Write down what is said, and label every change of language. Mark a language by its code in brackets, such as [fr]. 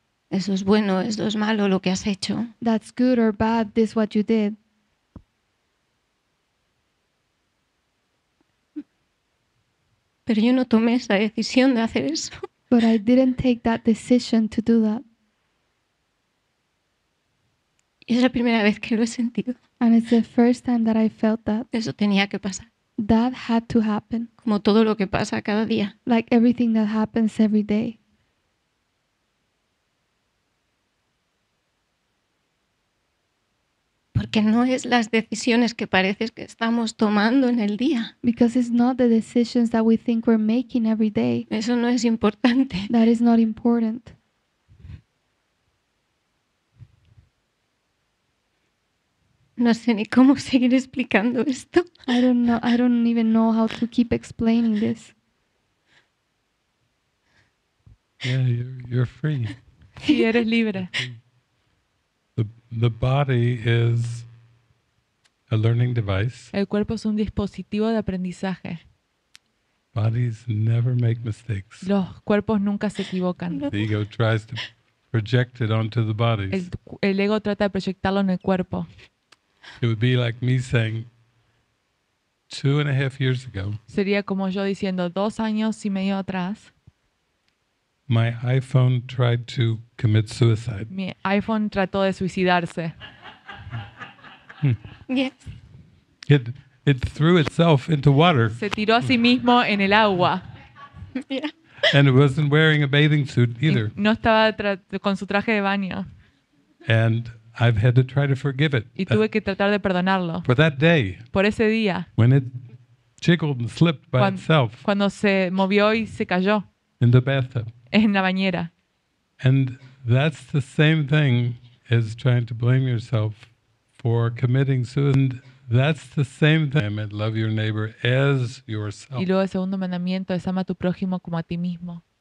[es] Eso es bueno, eso es malo, lo que has hecho. [en] That's good or bad, this what you did. [es] Pero yo no tomé esa decisión de hacer eso. [en] But I didn't take that decision to do that. [es] Es la primera vez que lo he sentido. [en] And it's the first time that I felt that. [es] Eso tenía que pasar. [en] That had to happen. [es] Como todo lo que pasa cada día. [en] Like everything that happens every day. [es] Porque no es las decisiones que parece que estamos tomando en el día. [en] Because it's not the decisions that we think we're making every day. [es] Eso no es importante. [en] That is not important. [es] No sé ni cómo seguir explicando esto. [en] I don't even know how to keep explaining this. Yeah, you're free. [es] Sí, eres libre. [en] The body is a learning device. [es] El cuerpo es un dispositivo de aprendizaje. [en] Bodies never make mistakes. [es] Los cuerpos nunca se equivocan. [en] No. The ego tries to project it onto the bodies. [es] El ego trata de proyectarlo en el cuerpo. [en] It would be like me saying 2.5 years ago. [es] Sería como yo diciendo 2 años y medio atrás. [en] My iPhone tried to commit suicide. [es] Mi iPhone trató de suicidarse. [en] Yes. It threw itself into water. [es] Se tiró a sí mismo en el agua. [en] Yeah. And it wasn't wearing a bathing suit either. [es] Y no estaba con su traje de baño. [en] And I've had to try to forgive it. [es] Y tuve que tratar de perdonarlo. [en] For that day. [es] Por ese día. [en] When it jiggled and slipped by itself. [es] Cuando se movió y se cayó. [en] In the bathtub. [es] En la bañera. [en] And that's the same thing as trying to blame yourself for committing suicide. And that's the same thing. And love your neighbor as yourself. [es] Y luego el segundo mandamiento es ama a tu prójimo como a ti mismo.